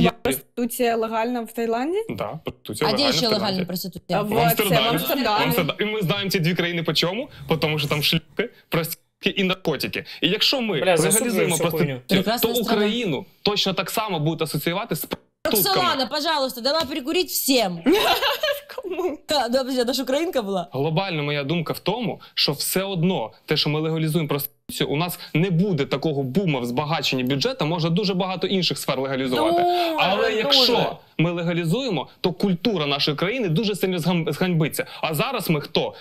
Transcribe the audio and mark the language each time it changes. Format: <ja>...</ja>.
<uk>Хіба проституція легальна в Таїланді? Так, да, проституція а легальна А де ще легальна проституція? В Амстердамі. І ми знаємо ці дві країни по чому? По тому, що там шлюпи, проститутки і наркотики. І якщо ми легалізуємо проституцію, то</uk> <ru>страна.</ru> <uk>Україну точно так само будуть асоціювати з</uk> <ru>Роксолана, пожалуйста, давай прикурить всем.</ru> <uk>Кому? Та, добре, це ж українка була. Глобально моя думка в тому, що все одно те, що ми легалізуємо проституцію, у нас не буде такого бума в збагаченні бюджету, може дуже багато інших сфер легалізувати. Але якщо ми легалізуємо, то культура нашої країни дуже сильно зганьбиться. А зараз ми хто?</uk>